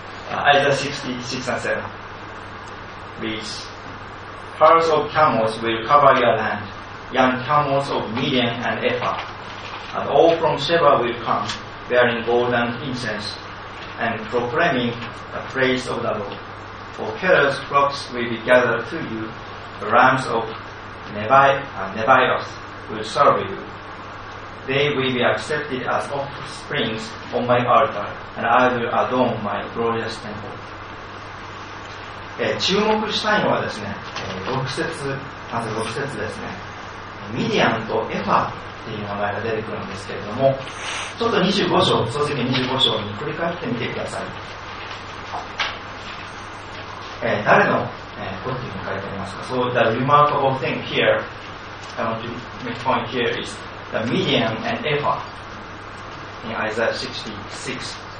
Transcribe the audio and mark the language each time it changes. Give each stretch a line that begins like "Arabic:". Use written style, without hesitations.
English: Isaiah 66 and 7 reads, Herds of camels will cover your land, young camels of Midian and Ephah, and all from Sheba will come, bearing gold and incense, and proclaiming the praise of the Lord. For Kedar's flocks will be gathered to you, the rams of Nebaioth will serve you. They will be accepted as offsprings on my altar, and I will adorn my glorious temple.
Japanese: 注目したいのはですね、6節、まず6節ですね。ミディアンとエファっていう名前が出てくるんですけれども、ちょっと25章、創世記25章に振り返ってみてください。誰の、こっちに書いてありますか。
English: So the remarkable thing here, I want to make point here is the Midian and Ephah in Isaiah 66.